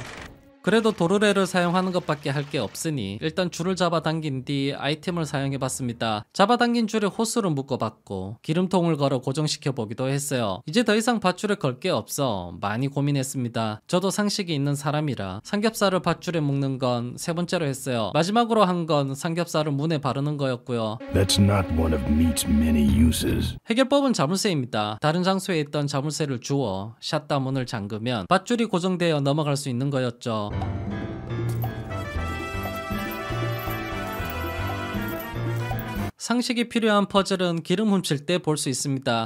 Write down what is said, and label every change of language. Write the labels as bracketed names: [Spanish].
[Korean] 그래도 도르래를 사용하는 것밖에 할 게 없으니 일단 줄을 잡아당긴 뒤 아이템을 사용해봤습니다. 잡아당긴 줄에 호스를 묶어봤고 기름통을 걸어 고정시켜보기도 했어요. 이제 더 이상 밧줄을 걸 게 없어 많이 고민했습니다. 저도 상식이 있는 사람이라 삼겹살을 밧줄에 묶는 건 세 번째로 했어요. 마지막으로 한 건 삼겹살을 문에 바르는 거였고요. [English] That's not one of meat's many uses. [Korean] 해결법은 자물쇠입니다. 다른 장소에 있던 자물쇠를 주워 샷다 문을 잠그면 밧줄이 고정되어 넘어갈 수 있는 거였죠. 상식이 필요한 퍼즐은 기름 훔칠 때 볼 수 있습니다.